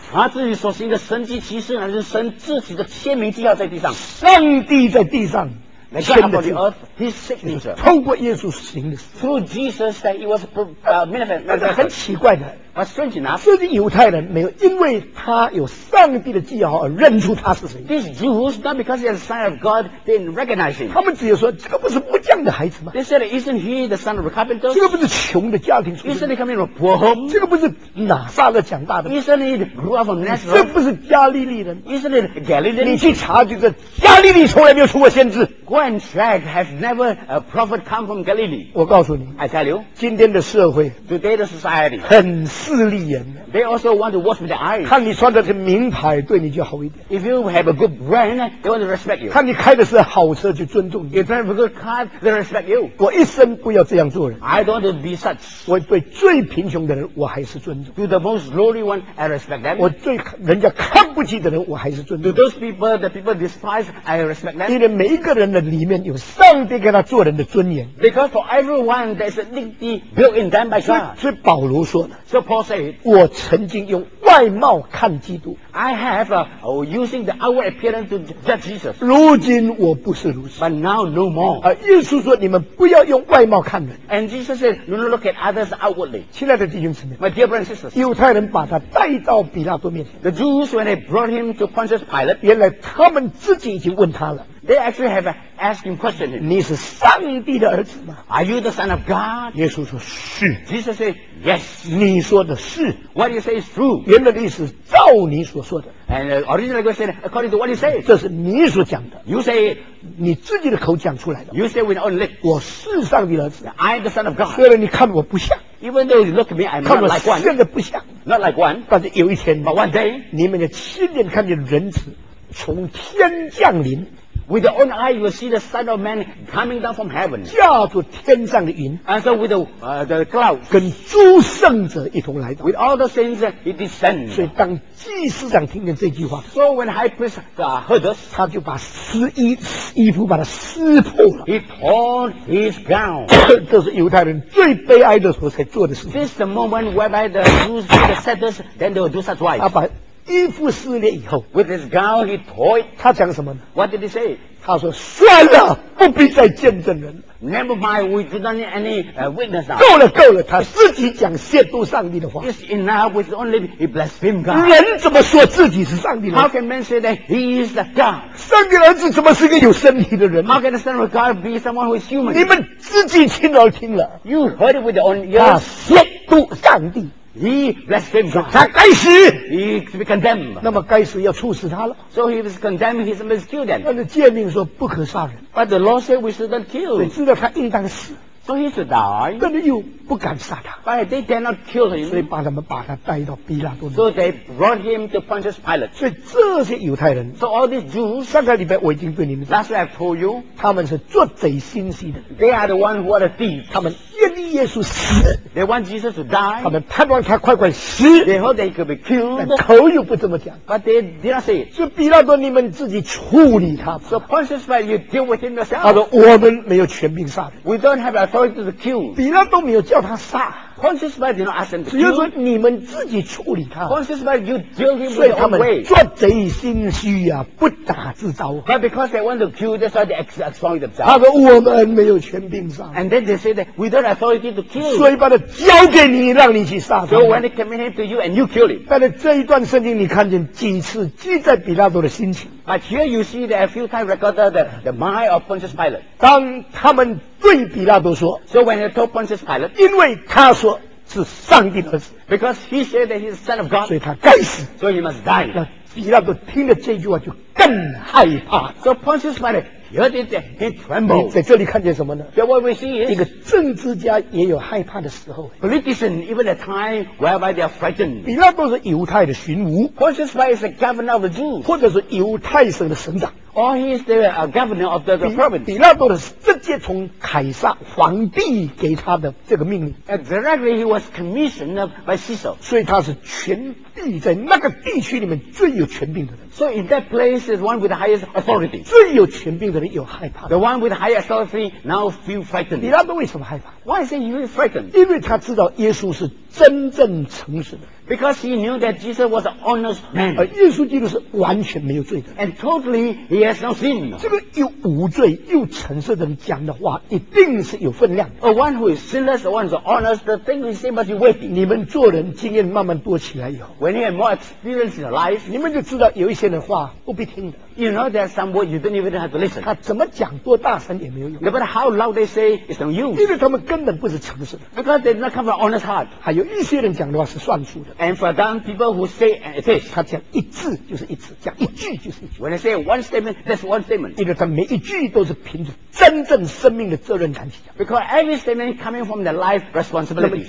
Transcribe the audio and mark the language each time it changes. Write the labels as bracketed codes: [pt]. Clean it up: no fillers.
[zh] 他自己所行的神迹奇事，乃是神自己的签名记号在地上。上帝在地上签的记号。 [en] The God upon the earth, His signature. [zh] 通过耶稣行的。 [en] Through Jesus that it was manifested. [zh] 但是很奇怪的。 [en] But strange enough, [zh] 这些犹太人没有因为他有上帝的记号而认出他是谁。 [en] These Jews, not because he has a sign of God, they didn't recognize him. [zh] 他们只有说，这个不是木匠的孩子吗？ [en] They said, isn't he the son of a carpenter? [zh] 这个不是穷的家庭出身？ [en] Isn't he coming from a poor home? [zh] 这个不是拿撒勒长大的？ [en] Isn't he grew up from Nazareth? [zh] 这不是加利利人？ [en] Isn't it Galilean? [zh] 你去查就是加利利从来没有出过先知。 [en] Go and check, has never a prophet come from Galilee. [zh] 我告诉你， [en] I tell you, [zh] 今天的社会， [en] today the society, [zh] 很势利眼。 [en] They also want to watch with their eyes. [zh] 看你穿的是名牌，对你就好一点。 [en] If you have a good brand, they want to respect you. [zh] 看你开的是好车，就尊重你。 [en] If you have a good car, they respect you. [zh] 我一生不要这样做人。 [en] I don't want to be such. [zh] 我对最贫穷的人，我还是尊重。 [en] To the most lowly one, I respect them. [zh] 我对人家看不起的人，我还是尊重。 [en] To those people that people despise, I respect them. [zh] 因为每一个人的里面有上帝给他做人的尊严。 [en] Because for everyone, there's a dignity built in them by God. [zh] 所以保罗说的。 [en] So Paul said, [zh] 我曾经用外貌看基督。 [en] I have using the outward appearance to judge Jesus. [zh] 如今我不是如此。 [en] But now no more. [zh] 耶稣说你们不要用外貌看人。 [en] And Jesus said, do not look at others outwardly. [zh] 亲爱的弟兄姊妹。 [en] My dear brothers and sisters. [zh] 犹太人把他带到比拉多面前。 [en] The Jews, when they brought him to Pontius Pilate, [zh] 原来他们自己已经问他了。 [en] They actually have asked him questions. [zh] 你是上帝的儿子吗？ [en] Are you the son of God? [zh] 耶稣说是。 [en] Jesus said, yes. [zh] 你说的是。 [en] What you say is true. [zh] 原来的意思是照你所说的。 [en] And originally question, according to what you say. [zh] 这是你所讲的。 [en] You say it. [zh] 你自己的口讲出来的。 [en] You say with your own lips. [zh] 我是上帝的儿子。 [en] I am the son of God. [zh] 虽然你看我不像。 [en] Even though you look at me, I'm not like one. [zh] 现在不像。 [en] Not like one. [zh] 但是有一天。 [en] But one day. [zh] 你们的亲眼看见人子从天降临。 [en] With your own eye, you will see the Son of Man coming down from heaven. [zh] 驾着天上的云。 [en] And so with the clouds. [zh] 跟诸圣者一同来到。 [en] With all the saints, he descends. [zh] 所以当祭司长听见这句话。 [en] So when high priest heard this, [zh] 他就把衣服把它撕破了。 [en] He tore his gown. [zh] 这是犹太人最悲哀的时候才做的事情。 [en] This is the moment whereby the Jews the settlers, then they will do such wise. [zh] 衣服撕裂以后 [en] With his gown he tore it [zh] 他讲什么呢 [en] What did he say [zh] 他说算了不必再见证人 [en] Never mind we do not need any witness now [zh] 够了够了他自己讲亵渎上帝的话 [en] It's enough with only he blasphemed God [zh] 人怎么说自己是上帝的 [en] How can man say that he is the God [zh] 上帝的儿子怎么是个有身体的人 [en] How can the son of God be someone who is human [zh] 你们自己亲耳听了 [en] You heard it with your own ears [zh] 他亵渎上帝 [en] He blasphemed God. [zh] 他该死。 [en] He to be condemned. [zh] 那么该死要处死他了。 [en] So he was condemned. He must kill them. [zh] 但是诫命说不可杀人。 [en] But the law said we shouldn't kill. [zh] 你知道他应当死。 [en] So he should die. [zh] 但是又不敢杀他。 [en] But they dare not kill him. [zh] 所以把他们把他带到比拉多。 [en] So they brought him to Pontius Pilate. [zh] 所以这些犹太人。 [en] So all these Jews. [zh] 上个礼拜我已经对你们。 [en] Last week I told you. [zh] 他们是做贼心细的。 [en] They are the ones who are the thieves. [zh] 他们愿意耶稣死。 [en] They want Jesus to die. [zh] 他们盼望他快快死。 [en] They hope they could be killed. [zh] 但口又不这么讲。 [en] But they did not say it. [zh] 所以比拉多，你们自己处理他吧。 [en] So Pontius Pilate, you deal with him yourself. [zh] 他说我们没有权柄杀。 [en] We don't have authority to kill. [zh] 比拉多没有叫他杀。 [en] Pontius Pilate did not ask him to kill. [zh] 只有说你们自己处理他。 [en] Pontius Pilate, you deal him with your own way. [zh] 所以他们做贼心虚啊，不打自招。 [en] But because they want to kill, that's why they exploit themselves. [zh] 他说我们没有权柄杀。 [en] And then they say that without authority to kill. [zh] 所以把他交给你，让你去杀他。 [en] So when they commit him to you and you kill him. [zh] 但是这一段圣经你看见几次记载比拉多的心情？ [en] But here you see that a few times recorded the mind of Pontius Pilate. [zh] 当他们对比拉多说， [en] So when he told Pontius Pilate, [zh] 因为他说是上帝的儿子， [en] Because he said that he is the son of God, [zh] 所以他该死， [en] So he must die. [zh] 那比拉多听了这句话就更害怕。 [en] So Pontius Pilate heard it, he trembled. [zh] 你在这里看见什么呢？ [en] So what we see is, [zh] 一个政治家也有害怕的时候。 [en] Politician, even a time whereby they are frightened. [zh] 比拉多是犹太的巡抚， [en] Pontius Pilate is the governor of the Jews, [zh] 或者是犹太省的省长。 [en] Or he is the governor of the province. [zh] 比拉多是直接从凯撒皇帝给他的这个命令。 [en] Directly he was commissioned by Caesar. [zh] 所以他是权力在那个地区里面最有权柄的人。 [en] So in that place is one with the highest authority. [zh] 最有权柄的人有害怕。 [en] The one with the highest authority now feel frightened. [zh] 比拉多为什么害怕？ [en] Why is he frightened? [zh] 因为他知道耶稣是真正诚实的。 [en] Because he knew that Jesus was an honest man. [zh] 而耶稣基督是完全没有罪的。 [en] And totally he has no sin. [zh] 这个又无罪又诚实的人讲的话一定是有分量的。 [en] A one who is sinless, one who is honest, the thing he said must be weighty. [zh] 你们做人经验慢慢多起来以后， [en] When you have more experience in life, [zh] 你们就知道有一些人话不必听的。 [en] You know there's some words you don't even have to listen. [zh] 他怎么讲多大声也没有用。 [en] No matter how loud they say, it's no use. [zh] 因为他们根本不是诚实的。 [en] Because they do not come from an honest heart. [zh] 还有一些人讲的话是算数的。 [en] And for them, people who say and it is, [zh] 他讲一字就是一字，讲一句就是一句。 [en] When they say one statement, that's one statement. [zh] 因为他每一句都是凭着真正生命的责任感讲。 [en] Because every statement coming from the life responsibility.